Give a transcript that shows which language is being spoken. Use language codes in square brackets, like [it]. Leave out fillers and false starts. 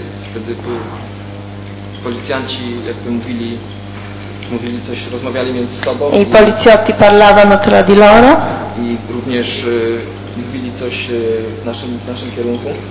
[pl] Wtedy policjanci jakby mówili coś, rozmawiali między sobą. [it] I poliziotti parlavano tra di loro. [pl] I również mówili coś w naszym kierunku.